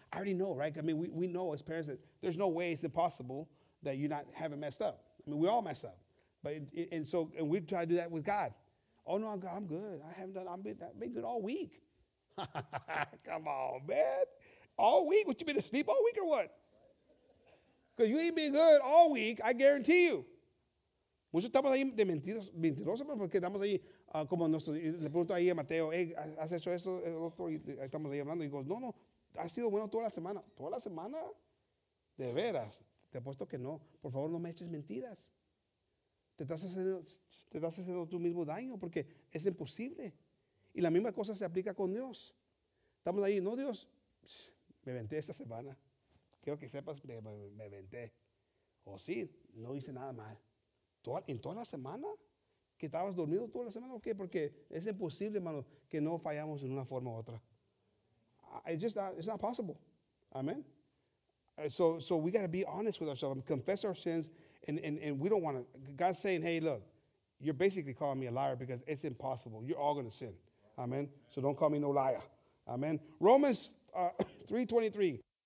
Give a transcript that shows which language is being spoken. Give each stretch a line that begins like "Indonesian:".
English: I already know, right? I mean, we know as parents that there's no way it's impossible that you not haven't messed up. I mean, we all mess up. But and we try to do that with God. Oh, no, I'm good. I haven't done, I've been good all week. Come on, man. All week? What, you been asleep all week or what? Because you ain't been good all week, I guarantee you.
Spanish: Muchos estamos ahí de mentirosos, pero porque estamos ahí como nuestro, le pregunto ahí a Mateo, hey, ¿has hecho eso, doctor? Y estamos ahí hablando. Y digo, no, ha sido bueno toda la semana. ¿Toda la semana? De veras. Te apuesto que no. Por favor, no me eches mentiras. Te estás haciendo tú mismo daño porque es imposible. Y la misma cosa se aplica con Dios. Estamos ahí, no, Dios, me venté esta semana. Quiero que sepas, me venté. O sí, no hice nada mal. ¿En toda la semana? ¿Que estabas dormido toda la semana o qué? Porque es imposible, hermano, que no fallamos en una forma u otra.
English: It's not possible. Amen. So we got to be honest with ourselves. Confess our sins. And we don't want to. God's saying, hey, look, you're basically calling me a liar because it's impossible. You're all going to sin. Amen. So don't call me no liar. Amen. Romans 3:23.